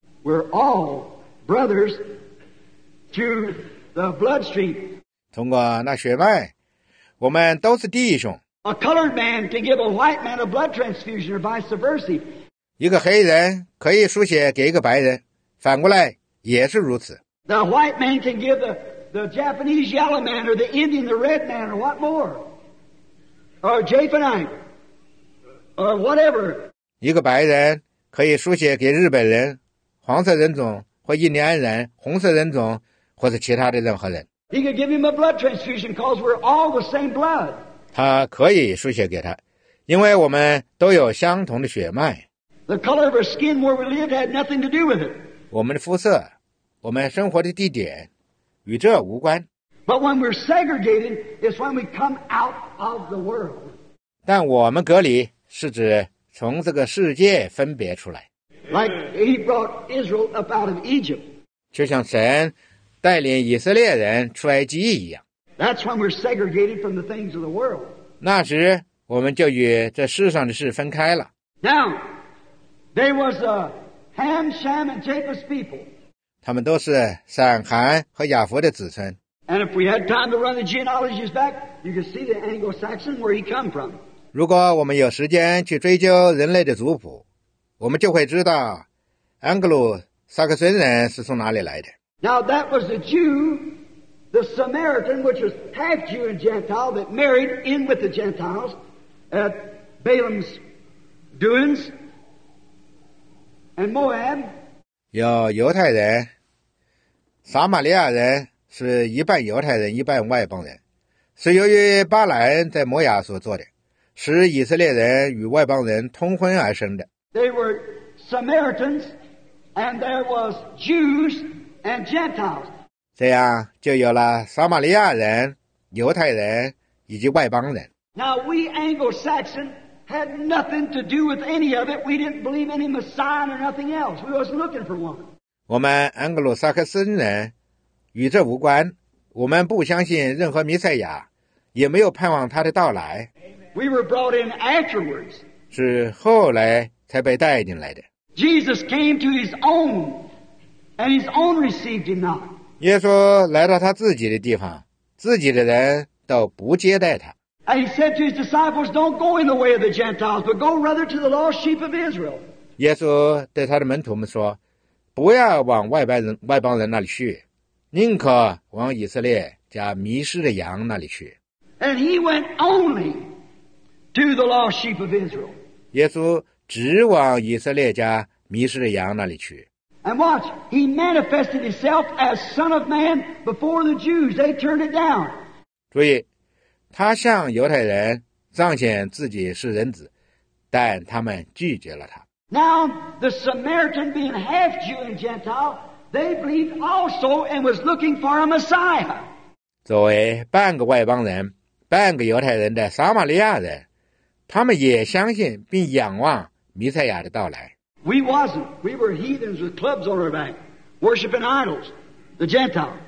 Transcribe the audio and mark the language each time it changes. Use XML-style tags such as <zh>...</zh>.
<en>We're all brothers through the bloodstream.</en> <zh>通过那血脉，我们都是弟兄。</zh> <en>A colored man can give a white man a blood transfusion, or vice versa.</en> <zh>一个黑人可以输血给一个白人，反过来也是如此。</zh> <en>The white man can give the Japanese yellow man, or the Indian the red man, or what more? Or Japhethite, or whatever.</en> <zh>一个白人可以输血给日本人、黄色人种或印第安人、红色人种或者其他的任何人。</zh> <en>He can give him a blood transfusion because we're all the same blood.</en> <zh>他可以输血给他，因为我们都有相同的血脉。</zh> <en>The color of our skin where we lived had nothing to do with it.</en> <zh>我们的肤色，我们生活的地点与这无关。</zh> <en>But when we're segregated, it's when we come out of the world.</en> <zh>但我们隔离是指从这个世界分别出来。</zh> <en>Like he brought Israel up out of Egypt.</en> <zh>就像神带领以色列人出埃及一样。</zh> <en>That's when we're segregated from the things of the world.</en> <zh>那时我们就与这世上的事分开了。</zh> <en>Now,There was a Ham, Shem, and Japheth's people.</en> <zh>他们都是闪、韩和亚佛的子孙。</zh> <en>And if we had time to run the genealogies back, you could see the Anglo-Saxon where he come from.</en> <zh>如果我们有时间去追究人类的族谱，我们就会知道安格鲁萨克森人是从哪里来的。</zh> <en>Now that was a Jew, the Samaritan, which was half Jew and Gentile, that married in with the Gentiles at Balaam's doings. And Moab,</en> <zh>有犹太人，撒玛利亚人是一半犹太人，一半外邦人，是由于巴兰在摩亚所做的，使以色列人与外邦人通婚而生的。</zh> <en>They were Samaritans, and there was Jews and Gentiles.</en> <zh>这样就有了撒玛利亚人、犹太人以及外邦人。</zh> <en>Now we Anglo-Saxon. Had nothing to do with any of it. We didn't believe any Messiah or nothing else. We wasn't looking for one.</en> <zh>我们安格鲁萨克森人与这无关。我们不相信任何弥赛亚，也没有盼望他的到来。</zh> <en>We were brought in afterwards.</en> <zh>是后来才被带进来的。</zh> <en>Jesus came to his own, and his own received him not.</en> <zh>耶稣来到他自己的地方，自己的人倒不接待他。</zh> <en>And he said to his disciples, "Don't go in the way of the Gentiles, but go rather to the lost sheep of Israel."</en> <zh>耶稣对他的门徒们说，不要往外邦人那里去，宁可往以色列家迷失的羊那里去。</zh> <en>And he went only to the lost sheep of Israel.</en> <zh>耶稣只往以色列家迷失的羊那里去。</zh> <en>And watch, he manifested himself as Son of Man before the Jews. They turned it down.</en> <zh>注意。他向犹太人彰显自己是人子，但他们拒绝了他。</zh> <en>Now the Samaritan being half Jew and Gentile, they believed also and was looking for a Messiah.</en> <zh>作为半个外邦人、半个犹太人的撒玛利亚人，他们也相信并仰望弥赛亚的到来。</zh> <en>We wasn't. We were heathens with clubs on our back, worshiping idols, the Gentile.</en>